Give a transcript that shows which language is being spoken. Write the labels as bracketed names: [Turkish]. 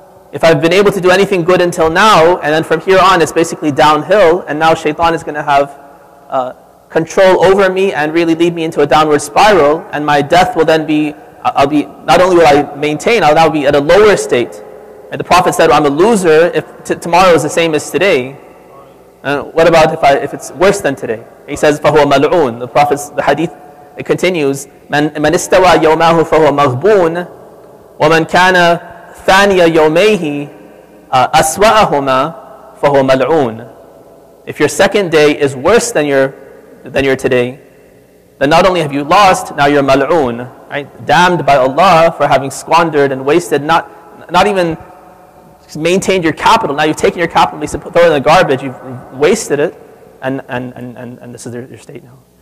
[English] If I've been able to do anything good until now, and then from here on it's basically downhill, and now shaitan is going to have control over me and really lead me into a downward spiral, and my death will then be, I'll be, not only will I maintain, I'll now be at a lower state. And the Prophet said, well, I'm a loser if tomorrow is the same as today. What about if it's worse than today? He says, [Arabic] فَهُوَ مَلْعُونَ. [English] The Prophet's, the hadith, it continues, [Arabic] مَنْ اسْتَوَى يَوْمَهُ فَهُوَ مَغْبُونَ وَمَنْ كَانَ ثَانِيَ يَوْمَيْهِ أَسْوَأَهُمَا فَهُوَ مَلْعُونَ. [English] If your second day is worse than your today, then not only have you lost, now you're mal'oon, right? Damned by Allah for having squandered and wasted, not even maintained your capital. Now you've taken your capital, you put it in the garbage, you've wasted it, and this is your state now.